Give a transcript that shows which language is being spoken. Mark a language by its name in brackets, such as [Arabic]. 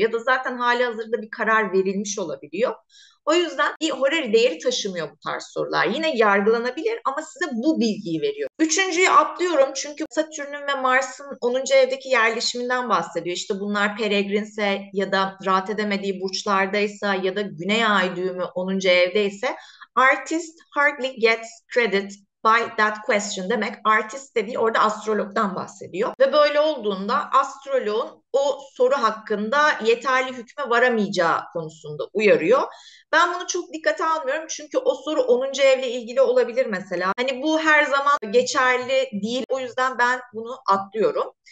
[Turkish] Ya da zaten hali hazırda bir karar verilmiş olabiliyor. O yüzden bir horari değeri taşımıyor bu tarz sorular. Yine yargılanabilir ama size bu bilgiyi veriyor. Üçüncüyü atlıyorum çünkü Satürn'ün ve Mars'ın 10. evdeki yerleşiminden bahsediyor. İşte bunlar peregrinse ya da rahat edemediği burçlardaysa ya da güney ay düğümü 10. evdeyse [English] artist hardly gets credit by that question [Turkish] demek. Artist de değil, orada astrologdan bahsediyor. Ve böyle olduğunda astroloğun o soru hakkında yeterli hükme varamayacağı konusunda uyarıyor. Ben bunu çok dikkate almıyorum çünkü o soru 10. evle ilgili olabilir mesela. Hani bu her zaman geçerli değil. O yüzden ben bunu atlıyorum.